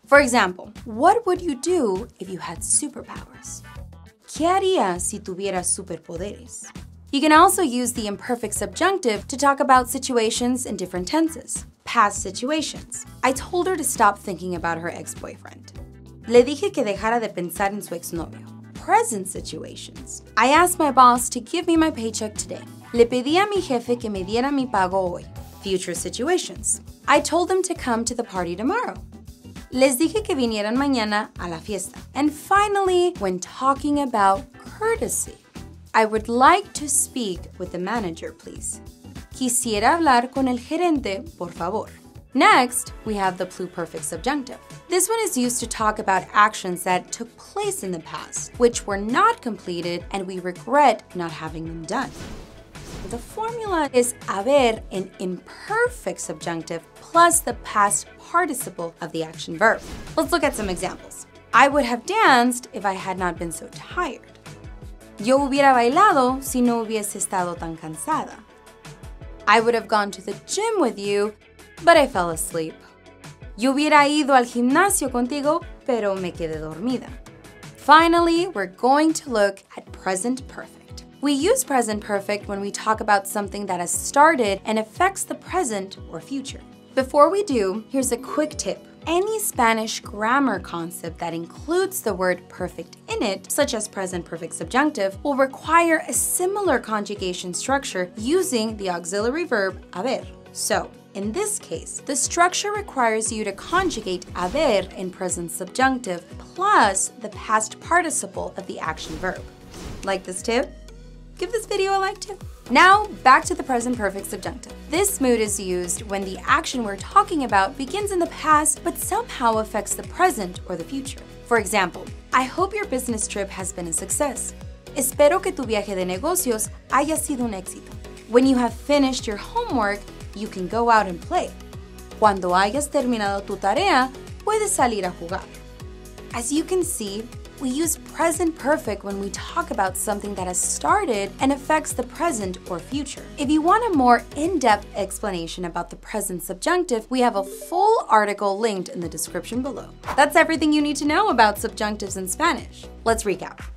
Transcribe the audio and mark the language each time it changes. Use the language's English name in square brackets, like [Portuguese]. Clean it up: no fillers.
[English] For example, what would you do if you had superpowers? [Spanish] ¿Qué haría si tuviera superpoderes? [English] You can also use the imperfect subjunctive to talk about situations in different tenses. Past situations. I told her to stop thinking about her ex-boyfriend. [Spanish] Le dije que dejara de pensar en su exnovio. [English] Present situations. I asked my boss to give me my paycheck today. [Spanish] Le pedí a mi jefe que me diera mi pago hoy. [English] Future situations. I told them to come to the party tomorrow. [Spanish] Les dije que vinieran mañana a la fiesta. [English] And finally, when talking about courtesy. I would like to speak with the manager, please. [Spanish] Quisiera hablar con el gerente, por favor. [English] Next, we have the pluperfect subjunctive. This one is used to talk about actions that took place in the past, which were not completed and we regret not having them done. The formula is haber in imperfect subjunctive plus the past participle of the action verb. Let's look at some examples. I would have danced if I had not been so tired. [Spanish] Yo hubiera bailado si no hubiese estado tan cansada. [English] I would have gone to the gym with you, but I fell asleep. [Spanish] Yo hubiera ido al gimnasio contigo, pero me quedé dormida. [English] Finally, we're going to look at present perfect. We use present perfect when we talk about something that has started and affects the present or future. Before we do, here's a quick tip. Any Spanish grammar concept that includes the word perfect in it, such as present perfect subjunctive, will require a similar conjugation structure using the auxiliary verb haber. So, in this case, the structure requires you to conjugate haber in present subjunctive plus the past participle of the action verb. Like this tip? Give this video a like too. Now, back to the present perfect subjunctive. This mood is used when the action we're talking about begins in the past, but somehow affects the present or the future. For example, I hope your business trip has been a success. [Spanish] Espero que tu viaje de negocios haya sido un éxito. [English] When you have finished your homework, you can go out and play. [Spanish] Cuando hayas terminado tu tarea, puedes salir a jugar. [English] As you can see, we use present perfect when we talk about something that has started and affects the present or future. If you want a more in-depth explanation about the present subjunctive, we have a full article linked in the description below. That's everything you need to know about subjunctives in Spanish. Let's recap.